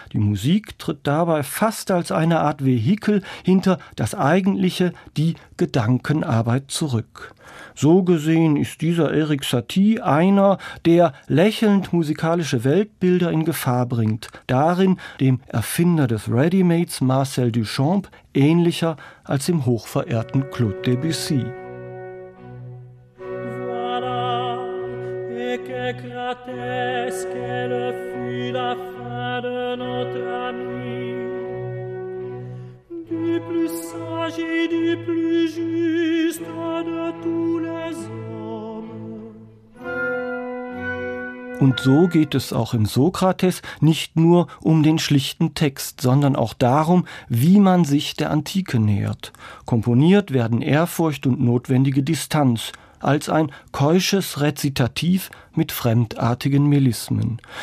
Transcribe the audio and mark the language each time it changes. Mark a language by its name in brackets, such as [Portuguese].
[German] Die Musik tritt dabei fast als eine Art Vehikel hinter das Eigentliche, die Gedankenarbeit, zurück. So gesehen ist dieser Erik Satie einer, der lächelnd musikalische Weltbilder in Gefahr bringt, darin dem Erfinder des Ready-Mades Marcel Duchamp ähnlicher als dem hochverehrten Claude Debussy. [French] Voilà, et que grotesque le fut la fin de notre ami. Du plus sage et du plus juste de tous les hommes. [German] Und so geht es auch im Sokrates nicht nur um den schlichten Text, sondern auch darum, wie man sich der Antike nähert. Komponiert werden Ehrfurcht und notwendige Distanz, als ein keusches Rezitativ mit fremdartigen Melismen.